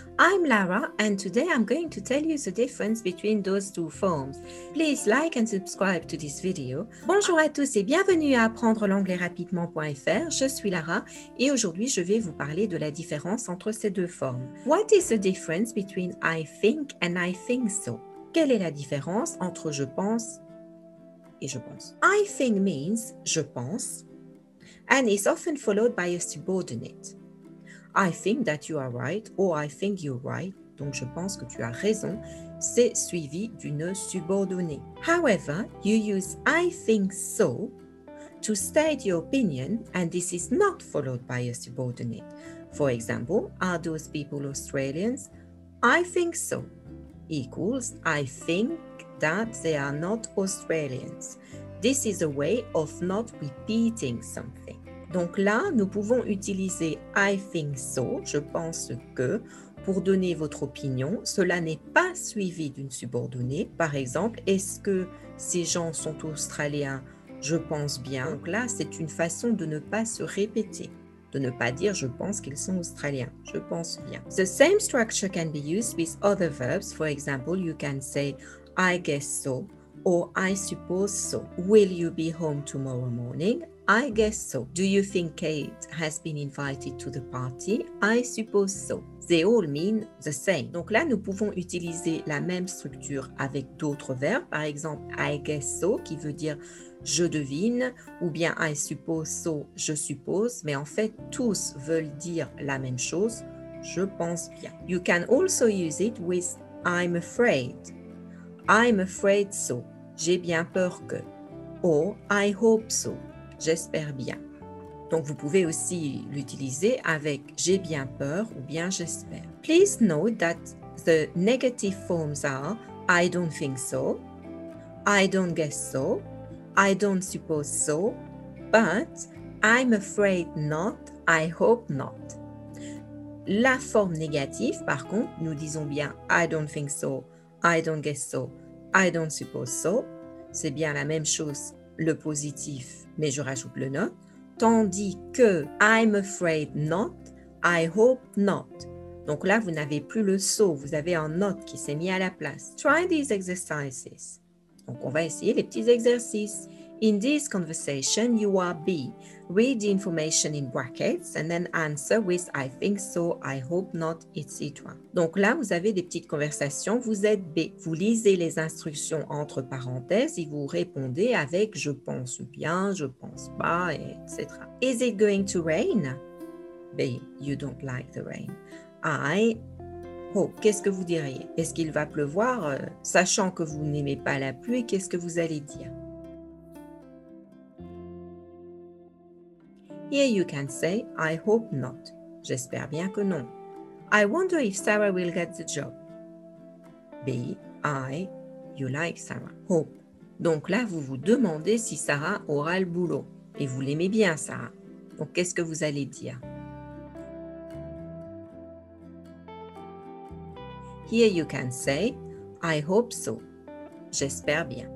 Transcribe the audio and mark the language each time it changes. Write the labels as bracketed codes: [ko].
[en] I'm Lara, and today I'm going to tell you the difference between those two forms. Please like and subscribe to this video. [fr] Bonjour à tous et bienvenue à apprendrelanglaisrapidement.fr. Je suis Lara, et aujourd'hui je vais vous parler de la différence entre ces deux formes. [en] What is the difference between I think and I think so? [fr] Quelle est la différence entre je pense et je pense? [en] I think means je pense. And is often followed by a subordinate. I think that you are right, or I think you're right. [fr] Donc, je pense que tu as raison. C'est suivi d'une subordonnée. [en] However, you use I think so to state your opinion, and this is not followed by a subordinate. For example, are those people Australians? I think so. Equals, I think that they are not Australians. This is a way of not repeating something. [fr] Donc là, nous pouvons utiliser I think so, je pense que, pour donner votre opinion. Cela n'est pas suivi d'une subordonnée. Par exemple, est-ce que ces gens sont australiens? Je pense bien. Donc là, c'est une façon de ne pas se répéter, de ne pas dire je pense qu'ils sont australiens. Je pense bien. [en] The same structure can be used with other verbs. For example, you can say I guess so. Or I suppose so. Will you be home tomorrow morning? I guess so. Do you think Kate has been invited to the party? I suppose so. They all mean the same. [fr] Donc là, nous pouvons utiliser la même structure avec d'autres verbes. Par exemple, I guess so, qui veut dire je devine, ou bien I suppose so, je suppose. Mais en fait, tous veulent dire la même chose. Je pense bien. [en] You can also use it with I'm afraid. I'm afraid so. [fr] J'ai bien peur que. [en] Or, I hope so. [fr] J'espère bien. Donc, vous pouvez aussi l'utiliser avec j'ai bien peur ou bien j'espère. [en] Please note that the negative forms are I don't think so, I don't guess so, I don't suppose so, but I'm afraid not, I hope not. [fr] La forme négative, par contre, nous disons bien [en] I don't think so, I don't guess so, I don't suppose so. [fr] C'est bien la même chose, le positif, mais je rajoute le not. Tandis que I'm afraid not, I hope not. Donc là, vous n'avez plus le so, vous avez un not qui s'est mis à la place. [en] Try these exercises. [fr] Donc on va essayer les petits exercices. [en] In this conversation, you are B. Read the information in brackets and then answer with I think so, I hope not, etc. [fr] Donc là, vous avez des petites conversations. Vous êtes B. Vous lisez les instructions entre parenthèses et vous répondez avec je pense bien, je pense pas, etc. [en] Is it going to rain? B. You don't like the rain. I hope. [fr] Qu'est-ce que vous diriez? Est-ce qu'il va pleuvoir? Sachant que vous n'aimez pas la pluie, qu'est-ce que vous allez dire? [en] Here you can say, I hope not. [fr] J'espère bien que non. [en] I wonder if Sarah will get the job. B. I. You like Sarah. Hope. [fr] Donc là, vous vous demandez si Sarah aura le boulot. Et vous l'aimez bien, Sarah. Donc, qu'est-ce que vous allez dire? [en] Here you can say, I hope so. [fr] J'espère bien.